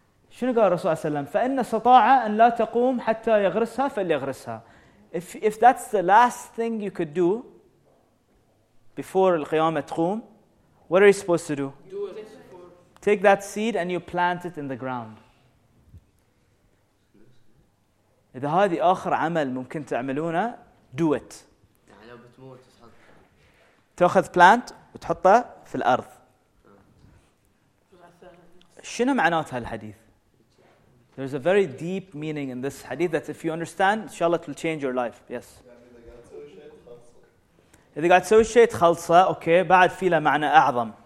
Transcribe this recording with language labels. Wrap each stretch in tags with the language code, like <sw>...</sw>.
<ar>شنو قال الرسول صلى الله عليه وسلم فان استطاع ان لا تقوم حتى يغرسها فليغرسها</ar> <en>if that's the last thing you could do before</en> <ar>القيامه تقوم</ar> <en>what are you supposed to do take that seed and you plant it in the ground</en> <ar>إذا هذه آخر عمل ممكن تعملونه</ar> <en>do it</en> <ar>يعني لو بتموت تأخذ plant وتحطه في الأرض شنو معنات هالحديث؟</ar> <en>There's a very deep meaning in this hadith that if you understand, inshallah, it will change your life. Yes.</en> <ar>إذا قاعد تسوي شيء تخلصه، أوكي، بعد في له معنى أعظم.</ar>